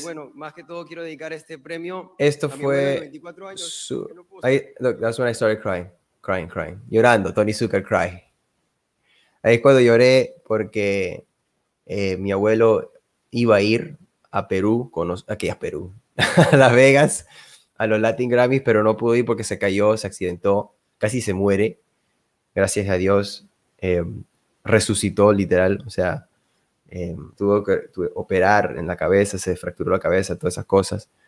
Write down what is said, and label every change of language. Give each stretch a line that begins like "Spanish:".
Spanish: y bueno, más que todo quiero dedicar este premio. Esto fue.
English: Look, that's when I started crying.
Spanish: Llorando, Tony Zucker cry. Ahí es cuando lloré porque mi abuelo iba a ir a Perú, a Las Vegas, a los Latin Grammys, pero no pudo ir porque se cayó, se accidentó, casi se muere. Gracias a Dios, resucitó literal, o sea, tuvo que operar en la cabeza, se fracturó la cabeza, todas esas cosas.